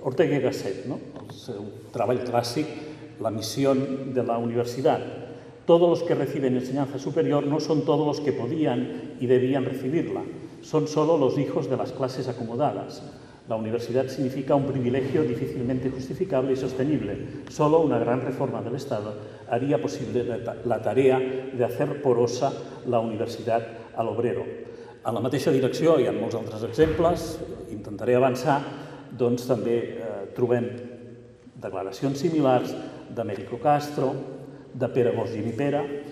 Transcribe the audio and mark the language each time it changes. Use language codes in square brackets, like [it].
[ca] Ortega y Gasset, no?, el seu treball clàssic, La missió de la universitat. [es] Todos los que reciben enseñanza superior no son todos los que podían y debían recibirla. Son solo los hijos de las clases acomodadas. La universidad significa un privilegio difícilmente justificable y sostenible. Solo una gran reforma del Estado haría posible la tarea de hacer porosa la universidad al obrero. [ca] En la mateixa direcció, hi ha molts altres exemples, intentaré avançar, doncs també trobem declaracions similars d'Américo Castro, de Pere Bosch Gimpera.